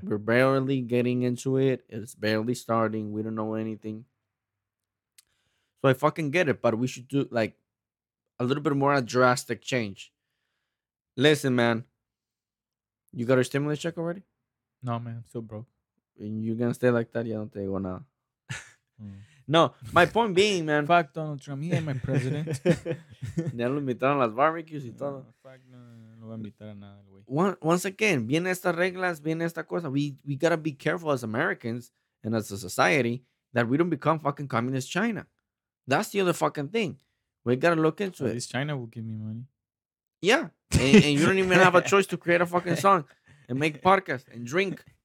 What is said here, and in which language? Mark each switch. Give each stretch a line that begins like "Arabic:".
English: We're barely getting into it. It's barely starting. We don't know anything. So I fucking get it. But we should do like a little bit more of a drastic change. Listen, man. You got your stimulus check already? No, man. I'm still broke. And you're going to stay like that?
Spanish: Ya no te digo nada.
English: No, my point being, man. Fuck Donald Trump. He ain't my president.
Spanish: Ya lo invitaron a las barbecues y todo. No, fuck, no va a invitar a nada, güey.
English: Once again,
Spanish: vienen estas reglas, vienen esta cosa.
English: We got to be careful as Americans and as a society that we don't become fucking communist China. That's the other fucking thing. We got to look into it. At least China will give me money. Yeah, and you don't even have a choice to create a fucking song and make podcasts and drink.